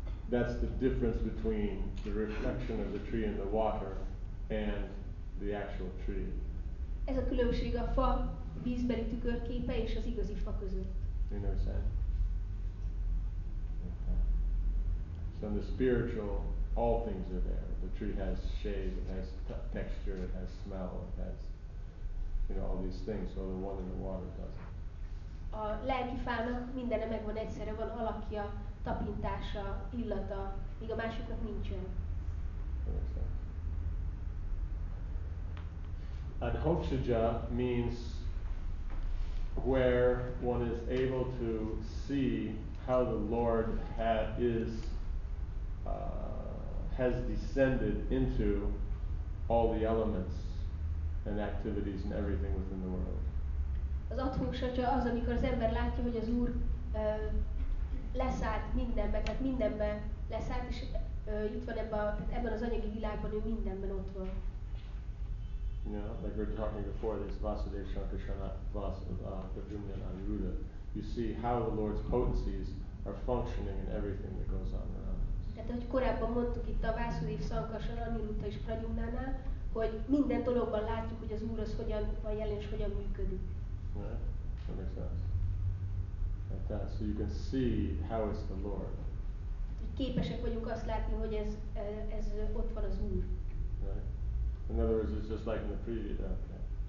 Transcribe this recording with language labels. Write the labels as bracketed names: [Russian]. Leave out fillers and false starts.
[English] That's the difference between the reflection of the tree in the water and the actual tree. [Hungarian] Ez a különbség a fa vízbeli tükörképe és az igazi fa között. [English] You know what I'm saying? So in the spiritual, all things are there. The tree has shade, it has texture, it has smell, it has, you know, all these things. So the one in the water doesn't. [Hungarian] A lelki fának mindene megvan egyszerre, van alakja, tapintása, illata, míg a másiknak nincsen. [English] Adhokshaja means where one is able to see how the Lord has descended into all the elements and activities and everything within the world. [Hungarian] Az adhokshaja az, amikor az ember látja, hogy az Úr leszállt mindenbe, tehát mindenbe leszállt, és itt van ebben az anyagi világban, ő mindenben ott van. [English] You know, like we were talking before, this Vasudeva Shankarsana Vasudeva Anuruddha. You see how the Lord's potencies are functioning in everything that goes on around. [Hungarian] Tehát, ahogy korábban mondtuk itt a Vászudév Szankarsan, Aniruddha és Pradyumnánál, hogy minden dologban látjuk, hogy az Úr az hogyan van jelen, és hogyan működik. [English] Right? That makes sense. Like that. So you can see how is the Lord. [Hungarian] Hogy képesek vagyunk azt látni, hogy ez ott van az Úr. [English] Right? In other words, it's just like in the previous, okay.